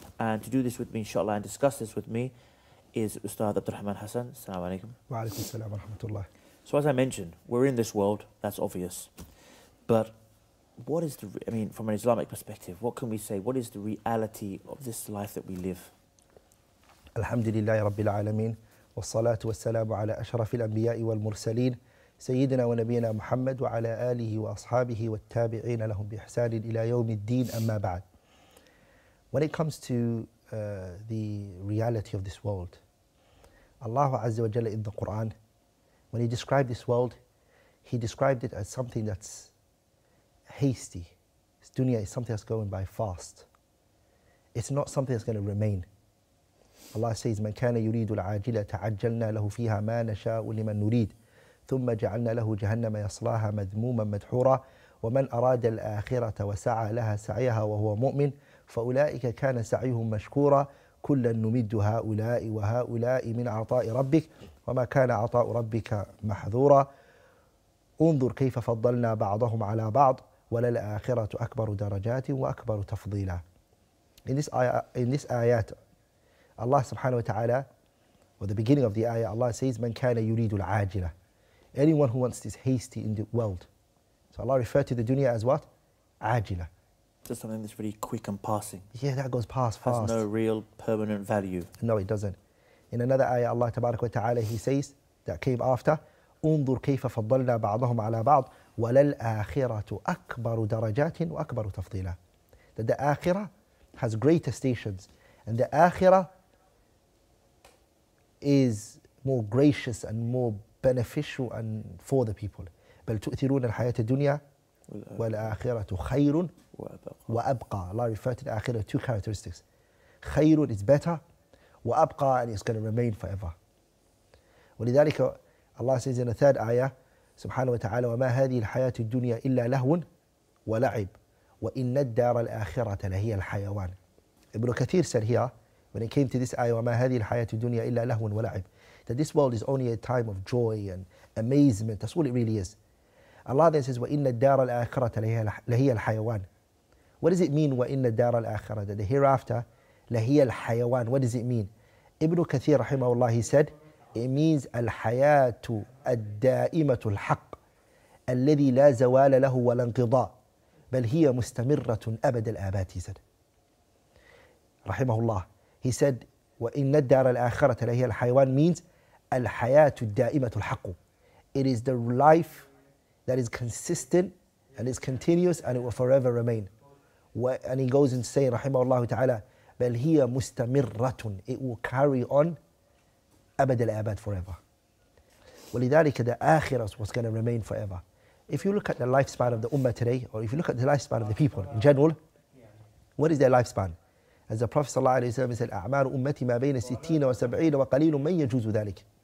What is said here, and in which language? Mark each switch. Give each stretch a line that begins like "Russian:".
English: And to do this with me, inshallah, and discuss this with me, is Ustadh AbdulRahman Hassan.
Arabic: Assalamu alaikum. Wa alaikum salam wa rahmatullah.
English: So as I mentioned, we're in this world, that's obvious. But what is the, from an Islamic perspective, what can we say? What is the reality of this life that we live?
Arabic: Alhamdulillahi rabbil alameen, wa salatu wa salamu ala ashrafil anbiya'i wal mursaleen, سيدنا ونبينا محمد وعلى آله وأصحابه والتابعين لهم بإحسان إلى يوم الدين أما بعد.
English: When it comes to the reality of this world, Allah Azza wa Jalla in the Quran, when He described this world, He described it as something that's hasty. This dunya is something that's going by fast. It's not something that's going to remain. Allah says,
Arabic: من كان يريد العاجلة تعجلنا له فيها ما نشاء لمن نريد ثم جعلنا له جهنم يصلاها مذموما مدحورا ومن أراد الآخرة وسعى لها سعيها وهو مؤمن فأولئك كان سعيهم مشكورا كلا نمد هؤلاء وهؤلاء من عطاء ربك وما كان عطاء ربك محذورا انظر كيف فضلنا بعضهم على بعض وللآخرة أكبر درجات وأكبر تفضيلا.
English: In this ayat, Allah subhanahu wa ta'ala, or the beginning of the ayah, Allah says,
Arabic: من كان يريد العاجلة.
English: Anyone who wants this hasty in the world. So Allah referred to the dunya as what?
Arabic: Ajila.
English: Just something that's really quick and passing. Yeah, that goes past fast. Has no real permanent value. No, it doesn't. In another ayah, Allah tabarak wa ta'ala, He says, that came after,
Arabic: أُنظُرْ كَيْفَ فَضَّلْنَا بَعْضَهُمْ عَلَى بَعْضٍ وَلَا الْآخِرَةُ أَكْبَرُ دَرَجَاتٍ وَأَكْبَرُ تَفْضِيلًا.
English: That the akhirah has greater stations. And the akhirah is more gracious and more beneficial and for the people.
Arabic: بَلْ تُؤْثِرُونَ الْحَيَاةَ الدُّنْيَا وَالْآخِرَةُ خَيْرٌ وَأَبْقَى.
English: Allah referred to the akhirah, two characteristics. خَيْرٌ is better, وَأَبْقَى, and it's going to remain forever.
Arabic: ولذلك
English: Allah says in the third ayah,
Arabic: سبحانه وتعالى وَمَا هَذِهِ الْحَيَاةُ الدُّنْيَا إِلَّا لَهْوٌ وَلَعِبٌ وَإِنَّ الدَّارَ الْآخِرَةَ لَهِيَ الْحَيَوَانُ.
English: Ibn Kathir said here, when it came to this ayah,
Arabic: وَمَا هَذِهِ الْحَيَاةُ الدُّنْيَا إِلَّا لَهْوٌ وَلَعِبٌ,
English: that this world is only a time of joy and amazement. That's all it really is. Allah then says,
Arabic: وَإِنَّ الدَّارَ الْآخِرَةَ لَهِيَ الْحَيَوَانِ.
English: What does it mean,
Arabic: وَإِنَّ الدَّارَ الْآخِرَةَ,
English: that the hereafter,
Arabic: لَهِيَ الْحَيَوَانِ,
English: what does it mean?
Arabic: Ibn Kathir رحمه الله,
English: he said, it means
Arabic: الْحَيَاةُ الدَّائِمَةُ الْحَقِّ الَّذِي لَا زَوَالَ لَهُ وَلَا انْقِضَى بَلْ هِيَ مُسْتَمِرَّةٌ أَبَدَ الْآبَاتِ, he said. رحمه الله,
English: he said,
Arabic: وَإِنَّ الدَّارَ الْآخِرَةَ لَهِيَ الْحَيَوَانِ means الْحَيَاةُ الدَّائِمَةُ الْحَقُّ.
English: It is the life that is consistent and is continuous and it will forever remain. And he goes and say,
Arabic: رحمه الله تعالى, بَلْ هِيَ مُسْتَمِرَّةٌ,
English: it will carry on
Arabic: أبد الآباد,
English: forever.
Arabic: ولذلك
English: the آخِرَةُ was going to remain forever. If you look at the lifespan of the ummah today, or if you look at the lifespan of the people in general, what is their lifespan? As the Prophet sallallahu alayhi wa sallam said,
Arabic: أَعْمَارُ أُمَّتِي مَا بَيْنَ سِتِينَ وَسَبْعِينَ وَقَلِيلٌ مَنْ يَجُوزُ ذَلِكَ.